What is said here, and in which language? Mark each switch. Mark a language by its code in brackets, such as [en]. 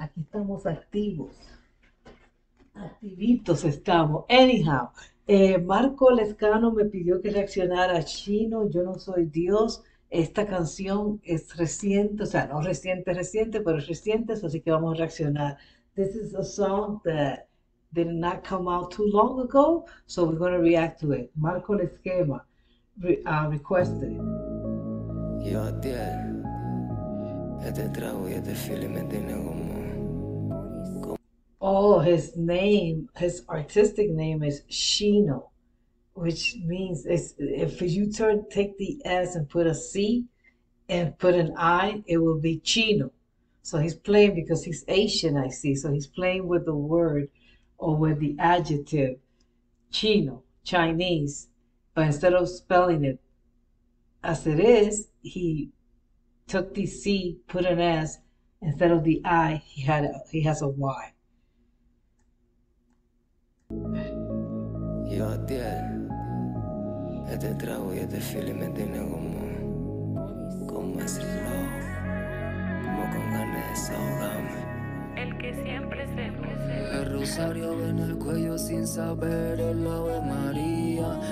[es] Aquí estamos activos. Activitos estamos. Anyhow, Marco Lescano me pidió que reaccionara a Chino, Yo No Soy Dios. Esta canción es reciente, o sea, no reciente, reciente, pero es reciente, así que vamos a reaccionar. [en] This is a song that did not come out too long ago, so we're going to react to it. Marco Lescano requested it. [es] Yo, tía, este trago y este feeling me tiene como... [en] Oh, his name, his artistic name is Chino, which means if you turn, take the S and put a C and put an I, it will be Chino. So he's playing because he's Asian, I see. So he's playing with the word or with the adjective Chino, Chinese. But instead of spelling it as it is, he took the C, put an S. Instead of the I, he has a Y. [es] Yo, tía, este trago y este feeling me tiene como es slow, como con ganas de desahogarme. El que siempre. El rosario en el cuello sin saber el Ave María.